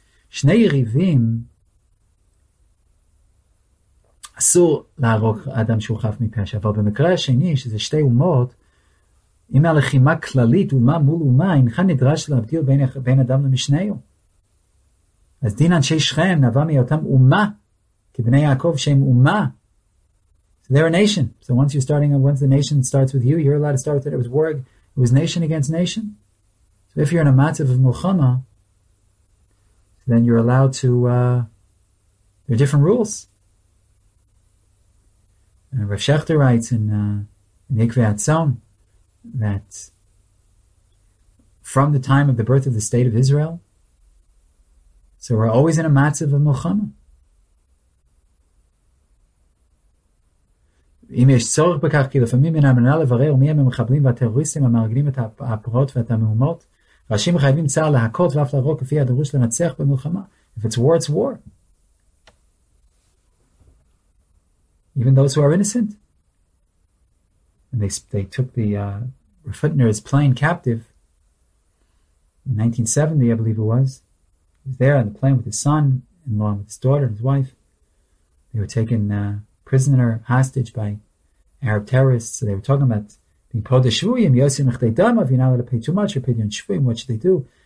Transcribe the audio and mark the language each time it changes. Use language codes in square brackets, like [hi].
[he] שני יריבים, אסור להרוג אדם שהוא חף מפשע, אבל במקרה השני, שזה שתי אומות, אם הלחימה כללית, אומה מול אומה, אינך נדרש להבדיל בין אדם למשנהו. אז דין אנשי שכם נבע מאותם אומה, כבני יעקב שהם אומה. [en] So they're a nation. So once you're starting, once the nation starts with you, you're allowed to start with it. It was war, it was nation against nation. So if you're in a matzav of milchama, then you're allowed to, there are different rules. Rav Shechter writes in Yikve Atzom that from the time of the birth of the state of Israel, so we're always in a matzav of milchama. [he] אם יש צורך בכך, כי לפעמים מן המנהל לברר מי הם המחבלים והטרוריסטים המארגנים את הפרעות ואת המהומות, ראשים חייבים צהר להכות ואף לרוק כפי הדרוש לנצח במלחמה. [en] If it's war, it's war. Even those who are innocent. And they took the Futner's plane captive in 1970, I believe it was. He was there on the plane with his son and along with his daughter and his wife. They were taken prisoner hostage by Arab terrorists, so they were talking about being poda shvuyim, yosim echdei dama, if you're not allowed to pay too much, or pay on shvuyim, what should they do?